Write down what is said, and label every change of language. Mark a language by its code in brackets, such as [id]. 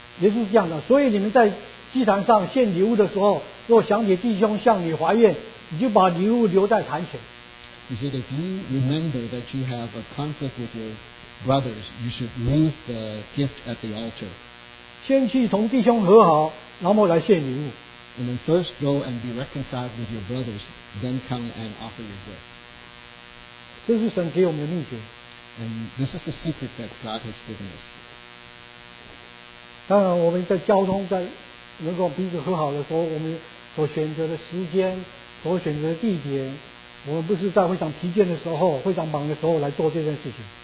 [zh] 也是这样的，所以你们在祭坛上献礼物的时候，若想起弟兄向你怀怨，你就把礼物留在坛前。 [en] He said, if you remember that you have a conflict with your brothers, you should leave the gift at the altar. [zh] 先去同弟兄和好，然后来献礼物。 [en] And then first go and be reconciled with your brothers, then come and offer your gift. [zh] 这是神给我们的秘诀。 [en] And this is the secret that God has given us. [zh] 当然我们在交通在能够彼此和好的时候，我们所选择的时间，所选择的地点，我们不是在非常疲倦的时候，非常忙的时候来做这件事情。